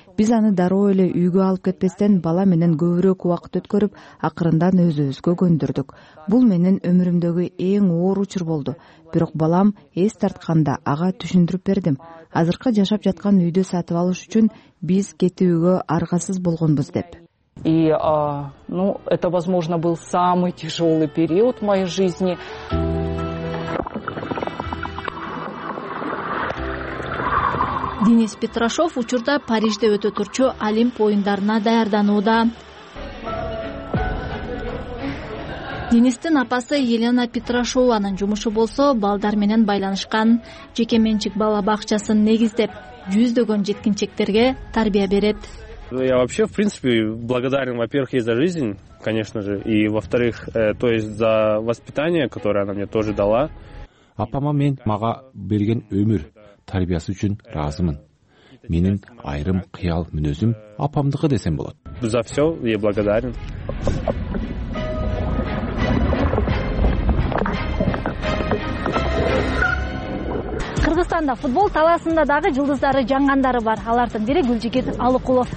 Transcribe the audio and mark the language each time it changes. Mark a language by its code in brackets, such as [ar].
[ky] Биз аны дароо эле үйгө алып кетпестен бала менен көбүрөөк убакыт өткөрүп, акырындан өзүбүзгө көндүрдүк. Бул менин өмүрүмдөгү эң оор учур болду. Бирок балам эс тартканда ага түшүндүрүп бердим. Азыркы жашап жаткан үйдү сатып алыш үчүн биз кетүүгө аргасыз болгонбуз деп. [ru] Это возможно был самый тяжелый период в моей жизни. [ky] Денис Петрашов учурда Парижде өтө турчу Олимп оюндарына даярданууда. Денистин апасы Елена Петрашованын жумушу болсо, балдар менен байланышкан. Жеке менчик бала бакчасын негиздеп, жүздөгөн жеткинчектерге тарбия берет. [ru] Я вообще, в принципе, благодарен, во-первых, ей за жизнь, конечно же, и во-вторых, то есть за воспитание, которое она мне тоже дала. [ky] Апама мен мага берген өмүр тарбиясы үчүн разымын. Менин айрым кыял мүнөзүм апамдыгы десем болот. [ru] За все я благодарен. [ky] Кыргызстанда футбол таласында дагы жылдыздары жангандары бар. Алардын бири Гүлжигит Алыкулов.